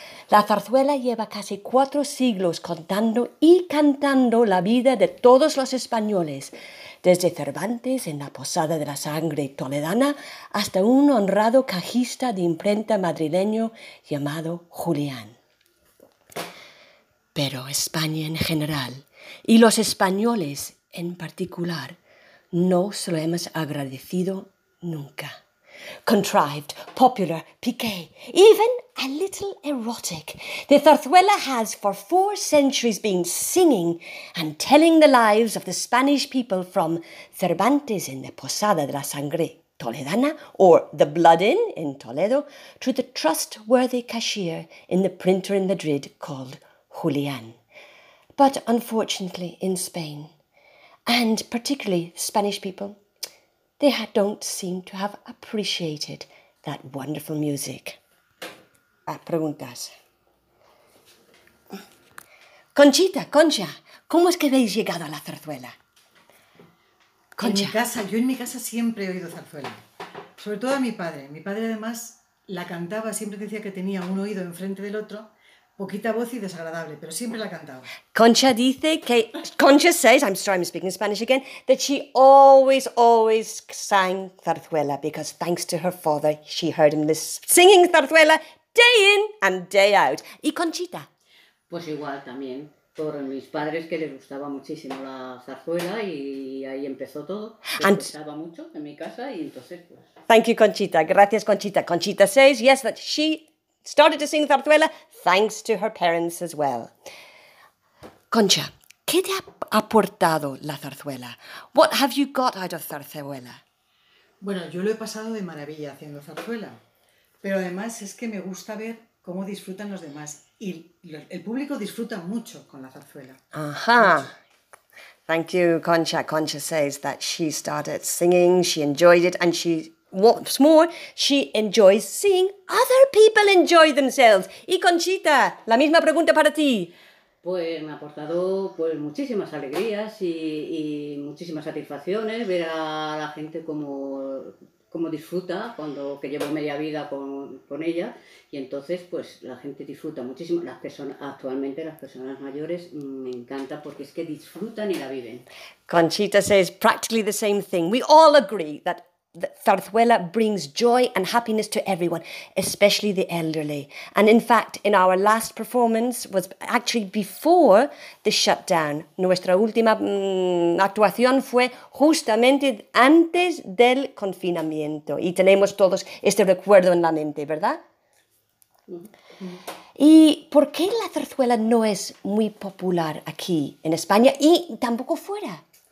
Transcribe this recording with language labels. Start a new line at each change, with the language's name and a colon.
Spanish: La zarzuela lleva casi 4 siglos contando y cantando la vida de todos los españoles, desde Cervantes en la Posada de la Sangre toledana hasta un honrado cajista de imprenta madrileño llamado Julián. Pero España en general, y los españoles en particular, no se lo hemos agradecido nunca.
English: Contrived, popular, piqué, even a little erotic. The zarzuela has for 4 centuries been singing and telling the lives of the Spanish people from Cervantes in the Posada de la Sangre toledana, or the Blood Inn in Toledo, to the trustworthy cashier in the printer in Madrid called Julián. But unfortunately, in Spain, and particularly Spanish people, they don't seem to have appreciated that wonderful music.
Spanish: Preguntas. Conchita, Concha, ¿cómo es que habéis llegado a la zarzuela? Concha. En mi casa siempre he oído zarzuela. Sobre todo a mi padre. Mi padre además la cantaba, siempre decía que tenía un oído enfrente del otro. Poquita voz y desagradable, pero siempre la cantaba. Concha dice que...
English: Concha says, I'm sorry, I'm speaking Spanish again, that she always, always sang zarzuela because thanks to her father, she heard him singing zarzuela day in and day out.
Spanish: ¿Y Conchita? Pues igual también, por mis padres que les gustaba muchísimo la zarzuela y ahí empezó todo. Les gustaba mucho en mi casa y entonces pues...
English: Thank you, Conchita.
Spanish: Gracias, Conchita.
English: Conchita says, yes, that she started to sing zarzuela thanks to her parents as well.
Spanish: Concha, ¿qué te ha aportado la zarzuela?
English: What have you got out of zarzuela?
Spanish: Bueno, yo lo he pasado de maravilla haciendo zarzuela, pero además es que me gusta ver cómo disfrutan los demás y el público disfruta mucho con la zarzuela.
English: Ajá. Thank you, Concha. Concha says that she started singing, she enjoyed it and she... What's more, she enjoys seeing other people enjoy themselves.
Spanish: Y Conchita, la misma pregunta para ti. Pues me ha aportado pues muchísimas alegrías y muchísimas satisfacciones ver a la gente como disfruta cuando que llevo media vida con ella. Y entonces pues la gente disfruta muchísimo. Las personas mayores me encanta porque es que disfrutan y la viven.
English: Conchita says practically the same thing. We all agree that zarzuela brings joy and happiness to everyone, especially the elderly. And in fact, in our last performance was actually before the shutdown.
Spanish: Nuestra última actuación fue justamente antes del confinamiento. Y tenemos todos este recuerdo en la mente, ¿verdad? ¿Y por qué la zarzuela no es muy popular aquí en España y tampoco fuera?